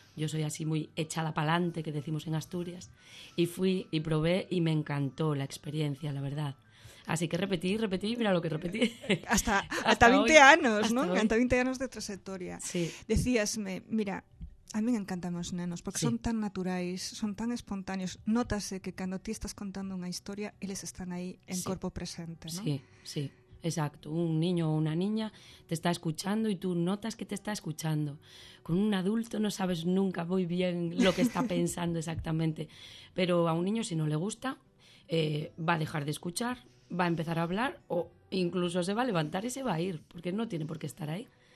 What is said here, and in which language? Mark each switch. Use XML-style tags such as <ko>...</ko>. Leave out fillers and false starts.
<es>Yo soy así muy echada pa'lante, que decimos en Asturias. Y fui y probé y me encantó la experiencia, la verdad. Así que repetí, repetí, mira lo que repetí. Hasta 20 años, ¿no? Hasta 20 años de trayectoria. Sí.</es> <gl>Decíasme, mira, a mí me encantan os nenos, porque son tan naturais, son tan espontáneos. Nótase que cando ti estás contando unha historia, eles están aí en corpo presente, ¿no?</gl> <es>Sí, sí. Exacto, un niño o una niña te está escuchando y tú notas que te está escuchando. Con un adulto no sabes nunca muy bien lo que está pensando exactamente, pero a un niño si no le gusta va a dejar de escuchar, va a empezar a hablar o incluso se va a levantar y se va a ir, porque no tiene por qué estar ahí.</es>